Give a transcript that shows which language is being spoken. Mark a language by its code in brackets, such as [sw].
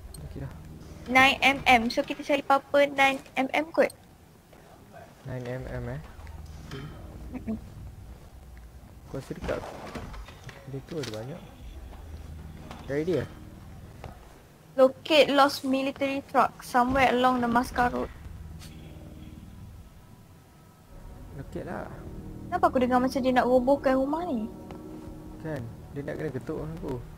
[ms] Okay dah. 9mm. So kita cari apa-apa 9mm kot. 9mm eh? Aku rasa dekat dia tu ada banyak. Dari dia? [en] Locate lost military truck somewhere along the Damascus Road. [ms] Locate lah. Kenapa aku dengar macam dia nak robohkan rumah ni? Kan? Dia nak kena ketuk kan aku.